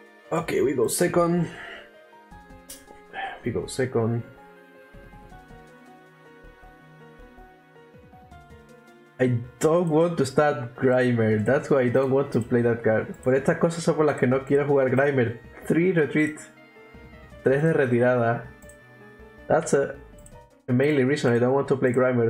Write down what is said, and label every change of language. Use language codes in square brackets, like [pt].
[en] Okay, we go second. I don't want to start Grimer, that's why I don't want to play that card. [es] Por estas cosas son por las que no quiero jugar Grimer. 3 retreat, 3 de retirada. [en] That's a mainly reason I don't want to play Grimer.